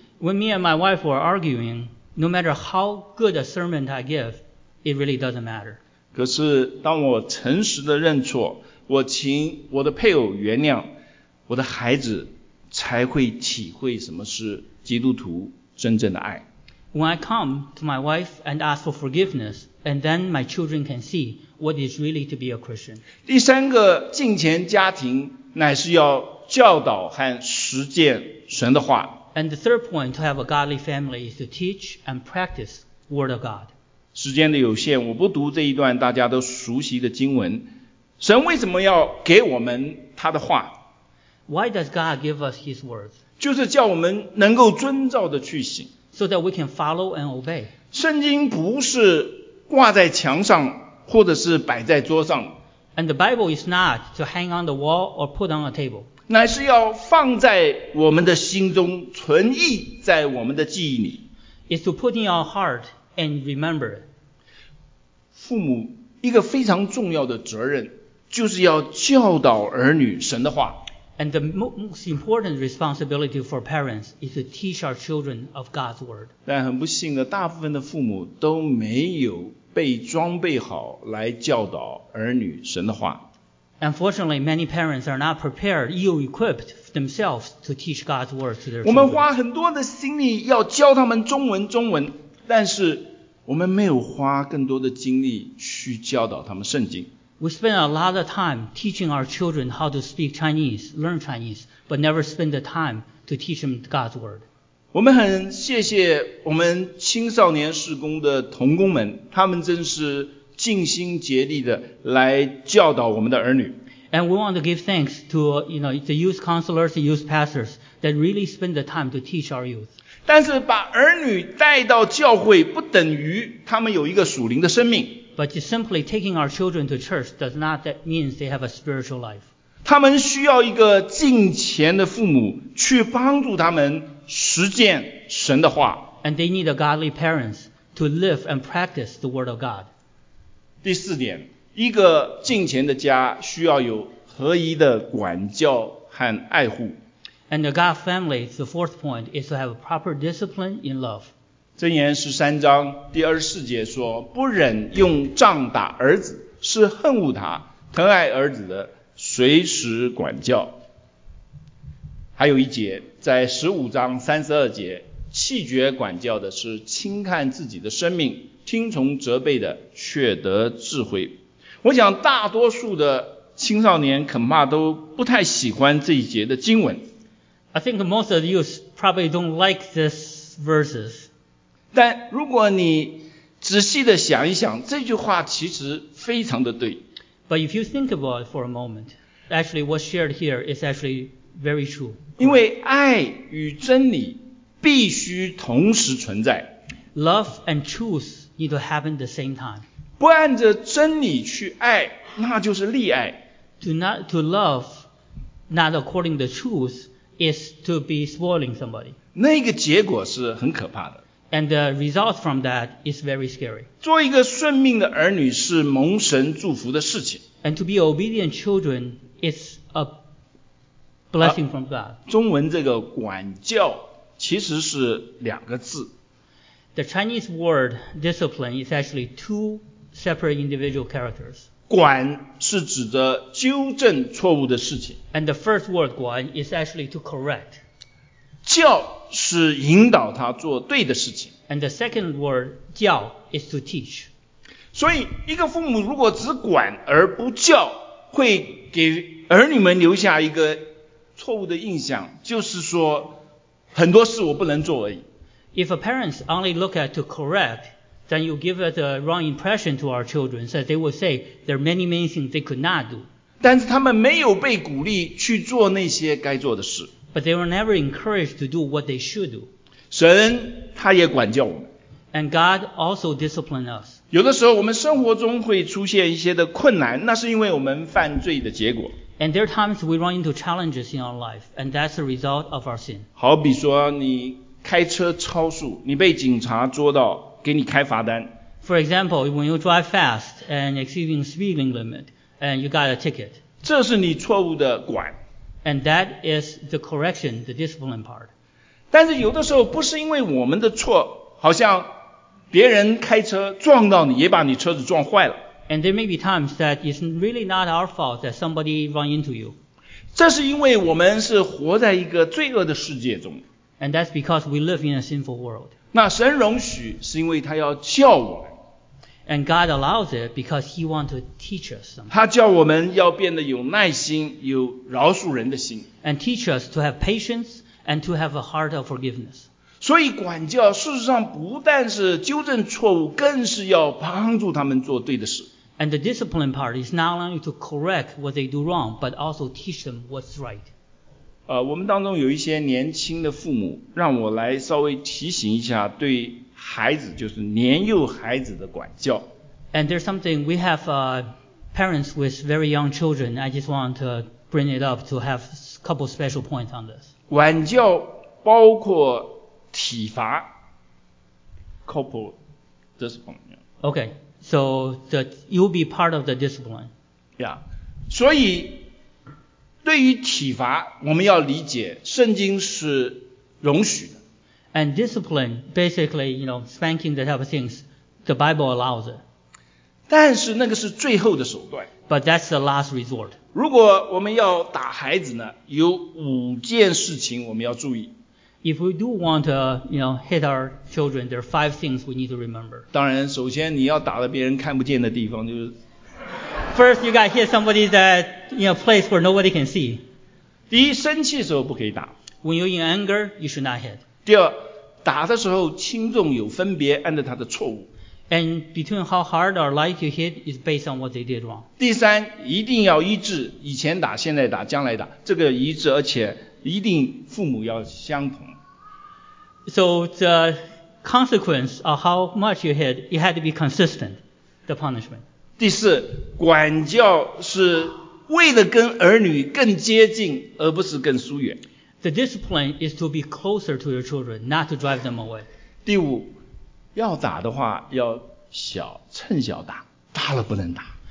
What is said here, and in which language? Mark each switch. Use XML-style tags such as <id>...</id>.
<en>When me and my wife were arguing,No matter how good a sermon I give, it really doesn't matter.</en> <zh>可是当我诚实的认错，我请我的配偶原谅，我的孩子才会体会什么是基督徒真正的爱。</zh> <en>When I come to my wife and ask for forgiveness, and then my children can see what is really to be a Christian.</en> <zh>第三个敬虔家庭乃是要教导和实践神的话。</zh> <en>And the third point to have a godly family is to teach and practice word of God.</en> <zh>时间的有限，我不读这一段大家都熟悉的经文。神为什么要给我们他的话？</zh> <en>Why does God give us his words?</en> <zh>就是叫我们能够遵照的去行。</zh> <en>So that we can follow and obey.</en> <zh>圣经不是挂在墙上或者是摆在桌上。</zh> <en>And the Bible is not to hang on the wall or put on a table.</en> <zh>乃是要放在我们的心中，存忆在我们的记忆里。</zh> <en>It's to put in our heart and remember.</en> <zh>父母一个非常重要的责任，就是要教导儿女神的话。</zh> <en>And the most important responsibility for parents is to teach our children of God's word.</en> <zh>但很不幸的，大部分的父母都没有被装备好来教导儿女神的话。</zh> <en>Unfortunately, many parents are not prepared, ill-equipped themselves to teach God's word to their children.</en> <zh>我们花很多的心力要教他们中文中文，但是我们没有花更多的精力去教导他们圣经。</zh> <en>We spend a lot of time teaching our children how to speak Chinese, learn Chinese, but never spend the time to teach them God's word.</en> <zh>我们很谢谢我们青少年事工的同工们，他们真是尽心竭力的来教导我们的儿女。</zh> <en>And we want to give thanks to, you know, the youth counselors, the youth pastors that really spend the time to teach our youth.</en> <zh>但是把儿女带到教会不等于他们有一个属灵的生命。</zh> <en>But just simply taking our children to church does not that means they have a spiritual life.</en> <zh>他们需要一个敬虔的父母去帮助他们实践神的话。</zh> <en>And they need a godly parents to live and practice the word of God.</en> <zh>第四点，一个敬虔的家需要有合一的管教和爱护。</zh> <en>And the God family, the fourth point, is to have a proper discipline in love.</en> <zh>箴言十三章第二十四节说，不忍用杖打儿子，是恨恶他，疼爱儿子的随时管教。还有一节，在十五章三十二节，弃绝管教的是轻看自己的生命，听从责备的却得智慧。我想大多数的青少年恐怕都不太喜欢这一节的经文。</zh> <en>I think most of the youth probably don't like this verses.</en> <zh>但如果你仔细的想一想，这句话其实非常的对。</zh> <en>But if you think about it for a moment, actually what's shared here is actually very true.</en> <zh>因为爱与真理必须同时存在。</zh> <en>Love and truth need to happen at the same time.</en> <zh>不按着真理去爱，那就是利爱。</zh> <en>To love not according to truth is to be spoiling somebody.</en> <zh>那个结果是很可怕的。</zh> <en>And the result from that is very scary.</en> <zh>做一个顺命的儿女是蒙神祝福的事情。</zh> <en>And to be obedient children is a blessing from God.</en> <zh>中文这个管教其实是两个字。</zh> <en>The Chinese word discipline is actually two separate individual characters.</en> <zh>管是指的纠正错误的事情。</zh> <en>And the first word 管 is actually to correct.</en> <zh>教是引导他做对的事情。</zh> <en>And the second word 教 is to teach.</en> <zh>所以一个父母如果只管而不教，会给儿女们留下一个错误的印象，就是说很多事我不能做而已。</zh> <en>If a parent only look at to correct, then you give the wrong impression to our children, so they will say there are many, many things they could not do.</en> <zh>但是他们没有被鼓励去做那些该做的事。</zh> <en>But they were never encouraged to do what they should do.</en> <zh>神他也管教我们。</zh> <en>And God also disciplined us.</en> <zh>有的时候我们生活中会出现一些的困难，那是因为我们犯罪的结果。</zh> <en>And there are times we run into challenges in our life, and that's the result of our sin.</en> <zh>好比说你开车超速，你被警察捉到，给你开罚单。</zh> <en>For example, when you drive fast and exceeding speeding limit, and you got a ticket.</en> <zh>这是你错误的管。</zh> <en>And that is the correction, the discipline part.</en> <zh>但是有的时候不是因为我们的错，好像别人开车撞到你，也把你车子撞坏了。</zh> <en>And there may be times that it's really not our fault that somebody run into you.</en> <zh>这是因为我们是活在一个罪恶的世界中。</zh> <en>And that's because we live in a sinful world.</en> <zh>那神容许是因为他要教我们。</zh> <en>And God allows it because he wants to teach us something.</en> <zh>他教我们要变得有耐心，有饶恕人的心。</zh> <en>And teach us to have patience and to have a heart of forgiveness.</en> <zh>所以管教事实上不但是纠正错误，更是要帮助他们做对的事。</zh> <en>And the discipline part is not only to correct what they do wrong, but also teach them what's right.</en> <zh>我们当中有一些年轻的父母，让我来稍微提醒一下对孩子，就是年幼孩子的管教。</zh> <en>And there's something, we have parents with very young children. I just want to bring it up to have a couple special points on this. 管教包括体罚 corporal discipline. Okay. So that you'll be part of the discipline. Yeah.</en> <zh>所以对于体罚我们要理解圣经是容许的。</zh> <en>And discipline, basically, you know, spanking the type of things, the Bible allows it.</en> <zh>但是那个是最后的手段。</zh> <en>But that's the last resort.</en> <zh>如果我们要打孩子呢，有五件事情我们要注意。</zh> <en>If we do want to, you know, hit our children, there are five things we need to remember.</en> <zh>当然，首先你要打到别人看不见的地方，就是。</zh> <en>First, you got to hit somebody that, you know, place where nobody can see.</en> <zh>第一，生气的时候不可以打。</zh> <en>When you're in anger, you should not hit.</en> <zh>第二，打的时候轻重有分别，按照他的错误。</zh> <en>And between how hard or light you hit is based on what they did wrong.</en> <zh>第三，一定要医治，以前打，现在打，将来打，这个医治，而且一定父母要相同。</zh> <en>So the consequence of how much you hit, it had to be consistent, the punishment.</en> <zh>第四，管教是为了跟儿女更接近，而不是更疏远。</zh> <en>The discipline is to be closer to your children, not to drive them away.</en> <zh>第五，要打的话要小，趁小打，大了不能打。</zh>